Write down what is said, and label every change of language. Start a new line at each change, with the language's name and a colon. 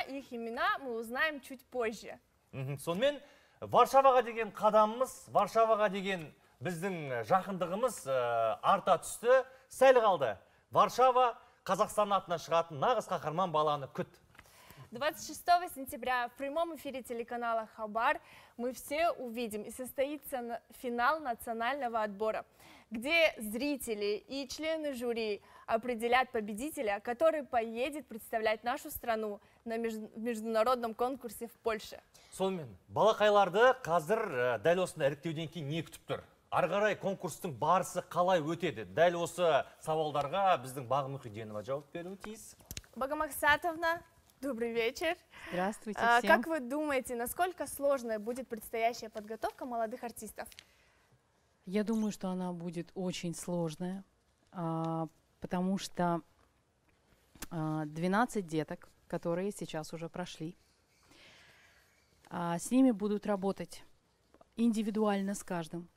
Russian: Их имена мы узнаем чуть позже.
Kazakh: Сонымен Варшаваға деген қадамымыз, Варшаваға деген біздің жақындығымыз арта түсті. Сәл қалды. Варшава Казахстан атынан шығатын нағыз қаһарман баланы күт.
Russian: 26 сентября в прямом эфире телеканала Хабар мы все увидим и состоится финал национального отбора, где зрители и члены жюри определят победителя, который поедет представлять нашу страну на международном конкурсе в Польше.
Kazakh: Сонымен, балақайларды қазір дәл осында іріктеуден кейін не күтіп тұр? Ары қарай конкурстың барысы қалай өтеді? Дәл осы сауалдарға біздің Бағы Мұхиденова жауап беруі тиіс.
Russian: Бағы Мақсатовна, добрый вечер. Здравствуйте всем. Как вы думаете, насколько сложная будет предстоящая подготовка молодых артистов? Я думаю, что она будет очень сложная, потому что 12 деток, которые сейчас уже прошли, с ними будут работать индивидуально с каждым.